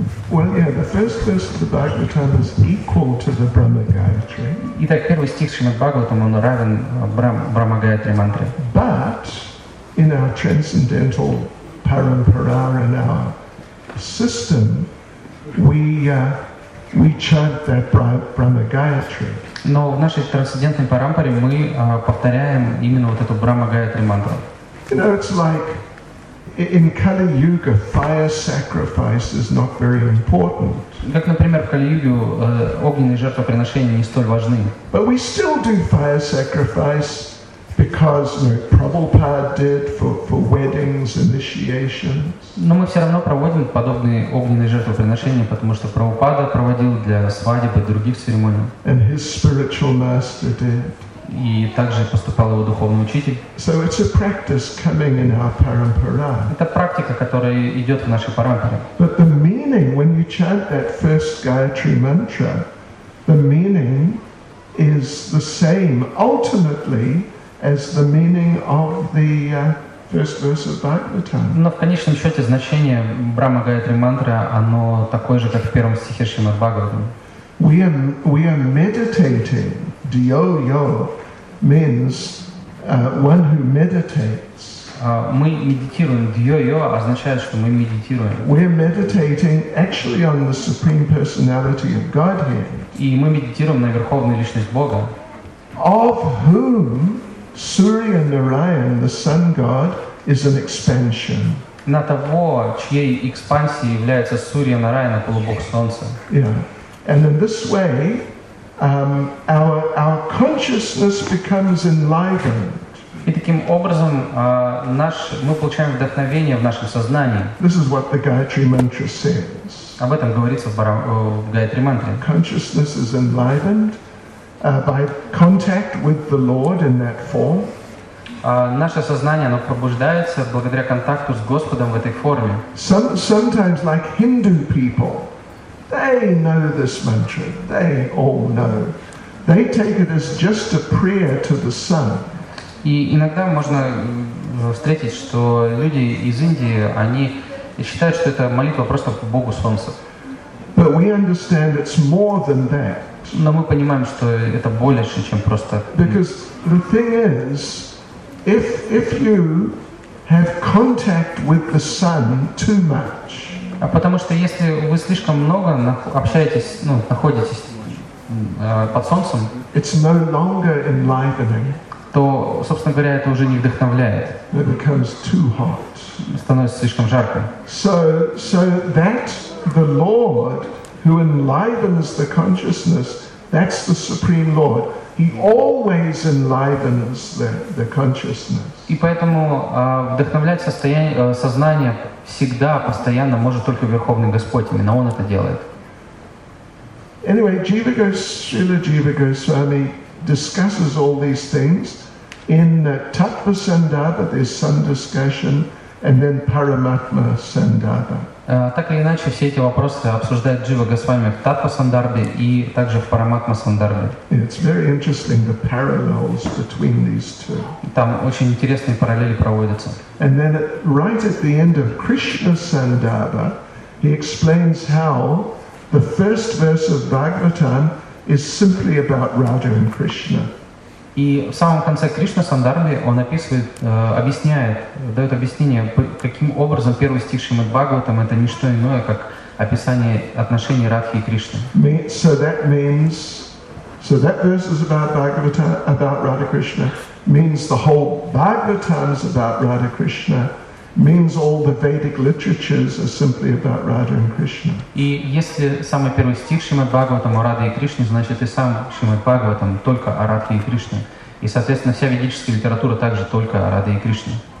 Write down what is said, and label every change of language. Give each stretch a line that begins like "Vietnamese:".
English: Well, yeah, the first verse of the Bhagavatam is equal to the Brahma Gayatri.
Russian: Итак, первый стих Шримад Бхагаватам он равен Брахма Гаятри мантре.
English: But in our transcendental parampara, in our system, we chant that Brahma Gayatri.
Russian: Но в нашей трансцендентной парампаре мы повторяем именно вот эту Брахма Гаятри мантру.
English: You know, it's like in Kali Yuga, fire sacrifice is not very important.
Russian: Как, например, в Кали-Югу огненные жертвоприношения не столь важны.
English: But we still do fire sacrifice because, you know, Prabhupada did for weddings, initiations.
Russian: Но мы все равно проводим подобные огненные жертвоприношения, потому что Прабхупада проводил для свадеб и других церемоний.
English: And his spiritual master did.
Russian: И также поступал его духовный учитель.
English: So it's a practice coming in our parampara.
Russian: Это практика, которая идет в нашей парампаре.
English: But the meaning, when you chant that first Gayatri mantra, the meaning is the same ultimately as the meaning of the first verse of Bhagavatam.
Russian: Но в конечном счете значение Брахма Гаятри мантры, оно такое же, как в первом стихе Шримад Бхагаватам.
English: We are meditating. Dyo-yo means one who meditates.
Russian: Мы медитируем. Дьё-йо означает, что мы медитируем.
English: We're meditating actually on the Supreme Personality of Godhead.
Russian: И мы медитируем на Верховную Личность Бога.
English: Of whom Surya Narayan, the sun god, is an expansion.
Russian: На того, чьей экспансией является Сурья Нараяна, полубог Солнца.
English: And in this way, our consciousness becomes enlivened.
Russian: И таким образом мы получаем вдохновение в нашем сознании.
English: This is what the Gayatri Mantra says.
Russian: Об этом говорится в Гаятри Мантре.
English: Consciousness is enlivened by contact with the Lord in that form.
Russian: Наше сознание, оно пробуждается благодаря контакту с Господом в этой форме.
English: Sometimes like Hindu people, they know this mantra. They all know. They take it as just a prayer to the sun.
Russian: И иногда можно встретить, что люди из Индии, они считают, что это молитва просто к Богу Солнца.
English: But we understand it's more than that.
Russian: Но мы понимаем, что это больше, чем просто.
English: Because the thing is, if you have contact with the sun too much.
Russian: А потому что если вы слишком много общаетесь, ну, находитесь под солнцем,
English: it's no longer enlivening.
Russian: То, собственно говоря, это уже не вдохновляет.
English: It becomes too hot.
Russian: Становится слишком жарко.
English: So that the Lord who enlivens the consciousness, that's the Supreme Lord. He always enlivens the consciousness.
Russian: И поэтому вдохновлять состояние сознания всегда, постоянно может только Верховный Господь, именно Он это делает.
English: Anyway, Jiva Goswami discusses all these things. In Tattva Sandarbha, there's some discussion, and then Paramatma Sandarbha.
Russian: Так или иначе, все эти вопросы обсуждает Джива Госвами в Таттва Сандарбе и также в Параматма Сандарбе.
English: It's very interesting, the parallels between these two.
Russian: Там очень интересные параллели проводятся.
English: And then right at the end of Krishna Sandarbha, he explains how the first verse of Bhagavatam is simply about Radha and Krishna.
Russian: И в самом конце Кришна Сандарбы он описывает, объясняет, дает объяснение, каким образом первый стих Шримад Бхагаватам это не что иное, как описание отношений Радхи и Кришны.
English: So that means, so that verse is about Bhagavata, about Radha Krishna, means the whole Bhagavatam is about Radha Krishna. Means all the Vedic literatures are simply about Radha and Krishna.
Russian: И если самый первый стих Шримад Бхагаватам о Раде и Кришне, значит и сам Шримад Бхагаватам только о Радхе и Кришне. И, соответственно, вся ведическая литература также только о Раде и Кришне.